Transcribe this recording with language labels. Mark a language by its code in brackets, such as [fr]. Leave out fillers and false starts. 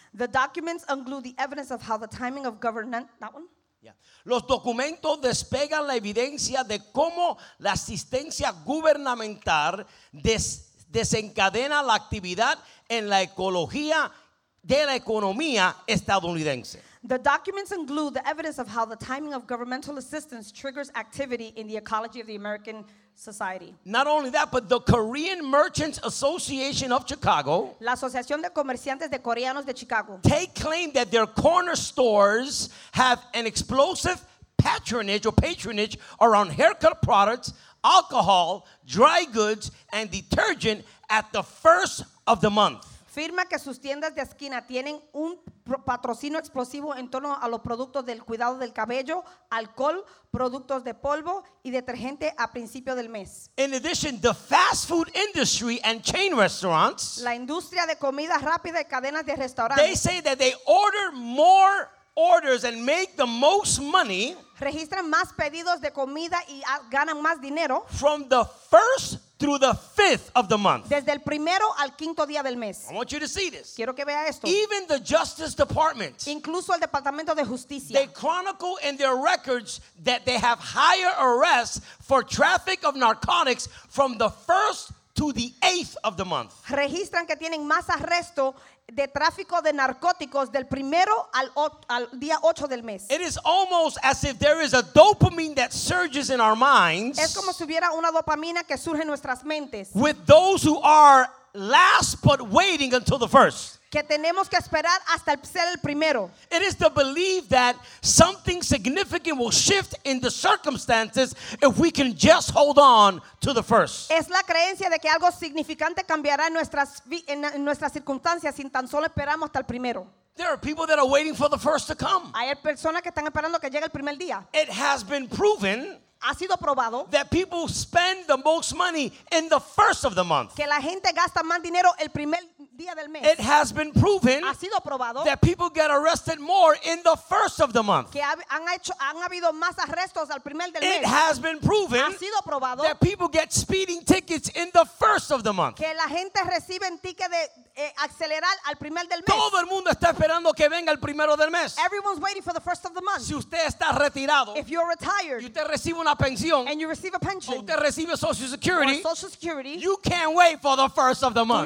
[en] The documents include the evidence of how the timing of government, that one? Yeah. [es] Los documentos despegan la evidencia de cómo la asistencia gubernamental desencadena la actividad en la ecología de la economía estadounidense. [en] The documents include the evidence of how the timing of governmental assistance triggers activity in the ecology of the American society. Not only that, but the Korean Merchants Association of Chicago, [es] la Asociación de Comerciantes de Coreanos de Chicago, [en] take claim that their corner stores have an explosive patronage around haircut products, alcohol, dry goods, and detergent at the first of the month. [es] Firma que sus tiendas de esquina tienen un patrocinio explosivo en torno a los productos del cuidado del cabello, alcohol, productos de polvo y detergente a principio del mes. [en] In addition, the fast food industry and chain restaurants, [es] la industria de comida rápida y cadenas de restaurantes, [en] they say that they order more orders and make the most money, [es] registran más pedidos de comida y ganan más dinero, [en] from the first through the fifth of the month. [es] Desde el primero al quinto día del mes. [en] I want you to see this. [es] Quiero que vea esto. [en] Even the Justice Department. [es] Incluso el Departamento de Justicia. [en] They chronicle in their records that they have higher arrests for traffic of narcotics from the first to the eighth of the month. [es] Registran que tienen más arresto de tráfico de narcóticos del primero al día 8 del mes. [en] It is almost as if there is a dopamine that surges in our minds. [es] Es como si hubiera una dopamina que surge en nuestras mentes. [en] With those who are last but waiting until the first. [es] Que tenemos que esperar hasta ser el primero. [en] It is the belief that something significant will shift in the circumstances if we can just hold on to the first. [es] Es la creencia de que algo significante cambiará en nuestras circunstancias si tan solo esperamos hasta el primero. [en] There are people that are waiting for the first to come. [es] Hay personas que están esperando que llegue el primer día. [en] It has been proven. [es] Ha sido probado [en] that people spend the most money in the first of the month. [es] Que la gente gasta más dinero el primer día del mes. [en] It has been proven. [es] Ha sido probado [en] that people get arrested more in the first of the month. [es] Que han habido más arrestos al primer del mes. [en] It has been proven. [es] Ha sido probado [en] that people get speeding tickets in the first of the month. [es] Que la gente recibe tickets de acelerar al primer del mes. Todo el mundo está esperando que venga el primero del mes. [en] Everyone's waiting for the first of the month. [es] Si usted está retirado, [en] if you're retired, [es] y usted recibe una pensión, [en] and you receive a pension, [es] o usted recibe [en] Social Security, you can't wait for the first of the month.